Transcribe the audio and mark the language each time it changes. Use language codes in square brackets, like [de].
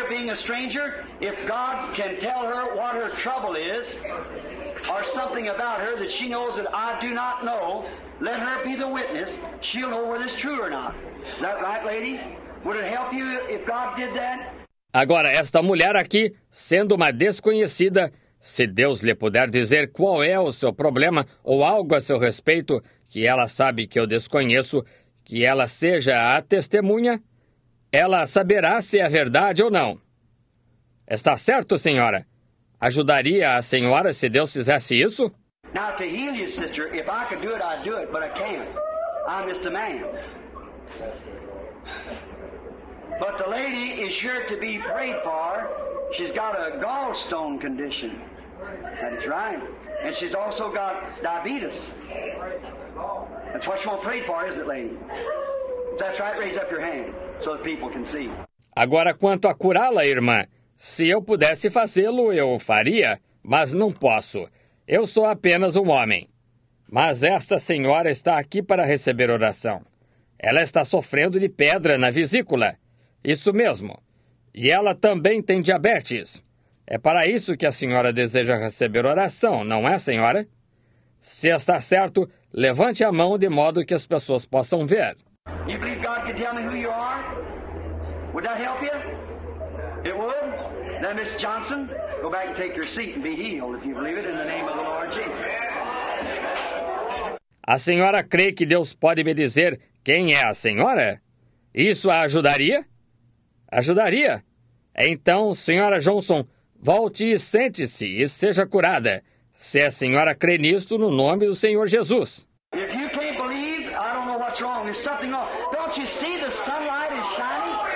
[en] A stranger, if God can tell her what her trouble is or something about her that she knows that I do not know, let her be the witness. She'll know whether it's true or not. Is that right, lady? Would it help you if God did that? [pt] Agora, esta mulher aqui, sendo uma desconhecida, se Deus lhe puder dizer qual é o seu problema ou algo a seu respeito, que ela sabe que eu desconheço, que ela seja a testemunha, ela saberá se é verdade ou não. Está certo, senhora? Ajudaria a senhora se Deus fizesse isso? [en] Now, to heal you, sister, if I could do it, I'd do it, but I can't. I'm just a man. But the lady is here to be prayed for. She's got a gallstone condition. That's right. And she's also got diabetes. That's what she wants prayed for, isn't it, lady? That's right. Raise up your hand so that people can see. [pt] Agora, quanto a curá-la, irmã? Se eu pudesse fazê-lo, eu o faria, mas não posso. Eu sou apenas um homem. Mas esta senhora está aqui para receber oração. Ela está sofrendo de pedra na vesícula. Isso mesmo. E ela também tem diabetes. É para isso que a senhora deseja receber oração, não é, senhora? Se está certo, levante a mão de modo que as pessoas possam ver. Você acredita que Deus pode me dizer quem você é? [en] Would that help you? It would. Then, Miss Johnson, go back and take your seat and be healed, if you believe it, in the name of the Lord Jesus. [pt] A senhora crê que Deus pode me dizer quem é a senhora? Isso a ajudaria? Ajudaria? Então, senhora Johnson, volte e sente-se e seja curada, se a senhora crê nisto no nome do Senhor Jesus. [en] If you can't believe, I don't know what's wrong. There's something wrong. Don't you see the sunlight is shining?